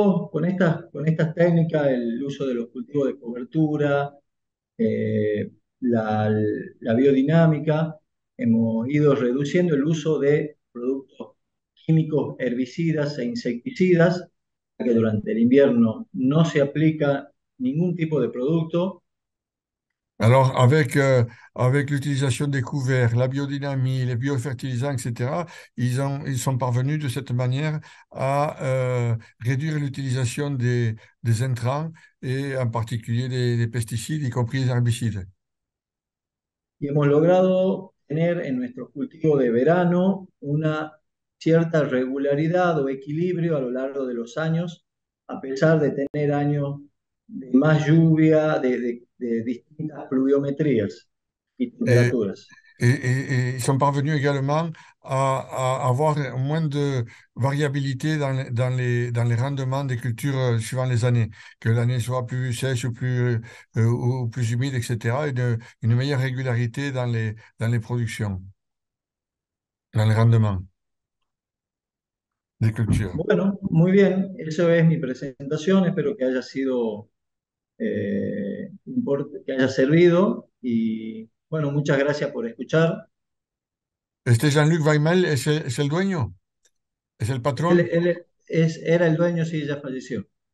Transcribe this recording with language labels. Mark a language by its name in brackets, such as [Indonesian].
[Spanish] Con estas técnicas, el uso de los cultivos de cobertura, la biodinámica, hemos ido reduciendo el uso de productos químicos, herbicidas e insecticidas, ya que durante el invierno no se aplica ningún tipo de producto. [French] Alors, avec l'utilisation des couverts, la biodynamie, les biofertilisants, etc., ils sont parvenus de cette manière à réduire l'utilisation des intrants et en particulier des pesticides, y compris les herbicides. [Spanish] Y hemos logrado tener en nuestro cultivo de verano una cierta regularidad o equilibrio a lo largo de los años, a pesar de tener años de más lluvia, de distintas pluviometrías y temperaturas. [French] Et ils sont parvenus également à avoir moins de variabilité dans les rendements des cultures suivant les années, que l'année soit plus sèche ou plus humide, etc., et une meilleure régularité dans les productions, dans les rendements des cultures. [Spanish] Bueno. Muy bien, esa es mi presentación. Espero que haya sido que haya servido. Y bueno, muchas gracias por escuchar. Este Jean-Luc Vaymel es el dueño, es el patrón. Era el dueño, sí, ya falleció.